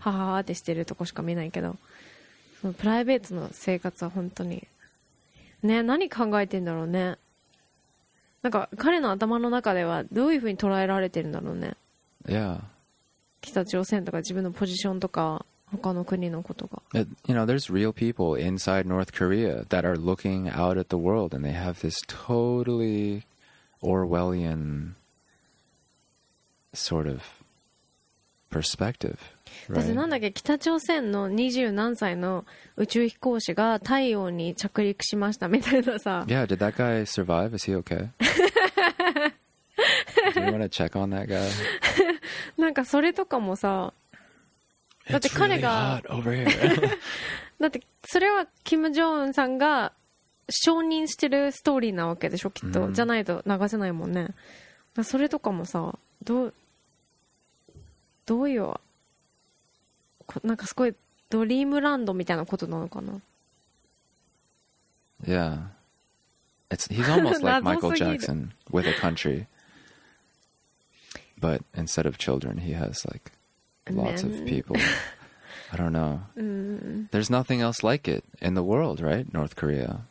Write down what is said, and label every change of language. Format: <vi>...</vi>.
<ja>はははってしてるとこしか見ないけどそのプライベートの生活は本当にね、何考えてんだろうねなんか彼の頭の中ではどういうふうに捉えられてるんだろうね。</ja> <en>Yeah.</en> <ja>北朝鮮とか自分のポジションとか他の国のことが。</ja> <en>You know, there's real people inside North Korea that are looking out at the world and they have this totally Orwellian sort of perspective.</en> <ja>だってなんだっけ北朝鮮の20何歳の宇宙飛行士が太陽に着陸しましたみたいなさ。</ja> <en>Yeah, did that guy survive? Is he okay? Do you want to check on that guy?</en> <ja>なんかそれとかもさ、だって彼が、</ja> <en>It's really hot over here.</en> <ja>だってそれはキム・ジョンウンさんが承認してるストーリーなわけでしょきっと、mm-hmm. じゃないと流せないもんね。だそれとかもさ、どういうなんかすごいドリームランドみたいなことなのかな</ja> <en>Yeah. He's almost like Michael Jackson with a country. But instead of children, he has like lots of people. I don't know. There's nothing else like it in the world, right? North Korea.</en>